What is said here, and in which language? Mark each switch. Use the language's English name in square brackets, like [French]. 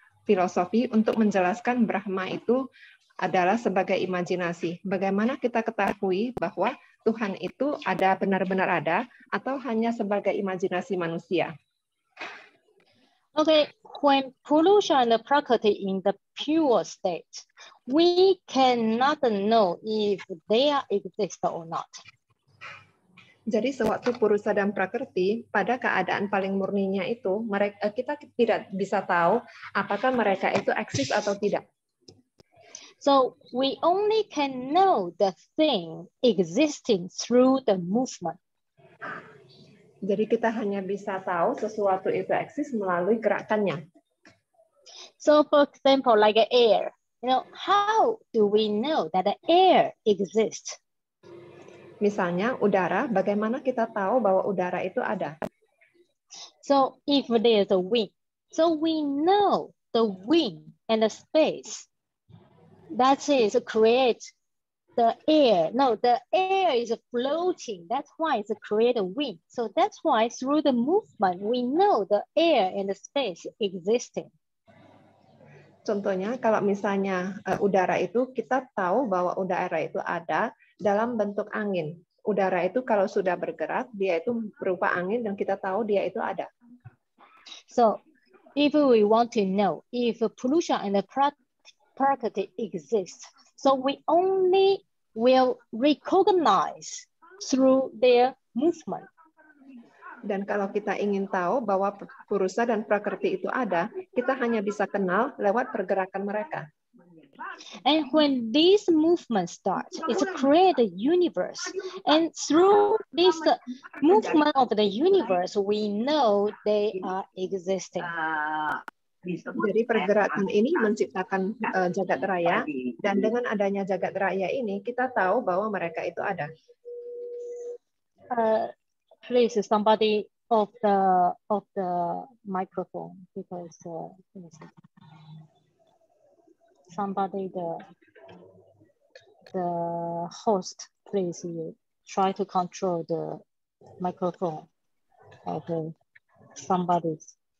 [Indonesian] Filosofi untuk menjelaskan Brahma itu adalah sebagai imajinasi. Bagaimana kita ketahui bahwa Tuhan itu ada benar-benar ada atau hanya sebagai imajinasi manusia? [English] Okay, when purusha and prakriti in the pure state, we cannot know if they exist or not. [Indonesian] Jadi sewaktu purusha dan prakriti pada keadaan paling murninya itu, mereka kita tidak bisa tahu apakah mereka itu eksis atau tidak. [English] So we only can know the thing existing through the movement. [Indonesian] Jadi kita hanya bisa tahu sesuatu itu eksis melalui gerakannya. [English] So for example, like air, you know, how do we know that the air exists? [Indonesian] Misalnya udara, bagaimana kita tahu bahwa udara itu ada? [English] So if there's a wind, so we know the wind and the space that is create the air. No, the air is floating. That's why it's created wind. So that's why through the movement, we know the air and the space existing. [Indonesian] Contohnya, kalau misalnya udara itu, kita tahu bahwa udara itu ada dalam bentuk angin. Udara itu kalau sudah bergerak, dia itu berupa angin dan kita tahu dia itu ada. [English] So, if we want to know if purusha and the prakriti exist, so we only will recognize through their movement. [Indonesian] Dan kalau kita ingin tahu bahwa purusa dan prakriti itu ada, kita hanya bisa kenal lewat pergerakan mereka. [English] And when this movement starts, it's create a universe. And through this movement of the universe, we know they are existing. [Indonesian] Jadi pergerakan ini menciptakan jagat raya, dan dengan adanya jagat raya ini, kita tahu bahwa mereka itu ada. [English] Please, somebody off the microphone, because somebody the host, please you try to control the microphone of somebody's.